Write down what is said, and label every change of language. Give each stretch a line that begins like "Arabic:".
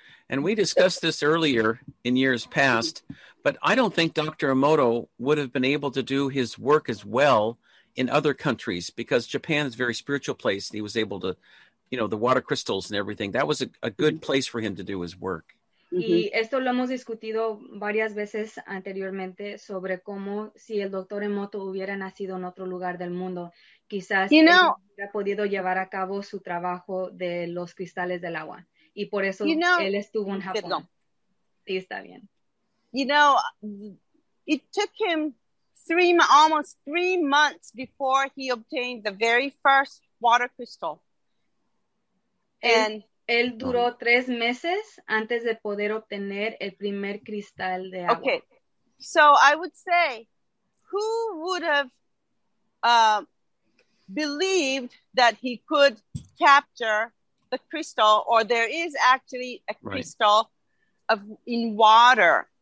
English: And we discussed this earlier in years past, but I don't think Dr. Emoto would have been able to do his work as well in other countries, because Japan is a very spiritual place. And he was able to, you know, the water crystals and everything. That was a good place for him to do his work.
Spanish: Y esto lo hemos discutido varias veces anteriormente sobre cómo si el Dr. Emoto hubiera nacido en otro lugar del mundo, quizás
English: you know,
Spanish: él hubiera podido llevar a cabo su trabajo de los cristales del agua. Y por eso
English: you know,
Spanish: él estuvo en Japón. Sí, está bien.
English: You know, it took him almost three months before he obtained the very first water crystal. And
Spanish: él duró tres meses antes de poder obtener el primer cristal de agua.
English: Okay, so I would say, who would have believed that he could capture the crystal, or there is actually a crystal of in water?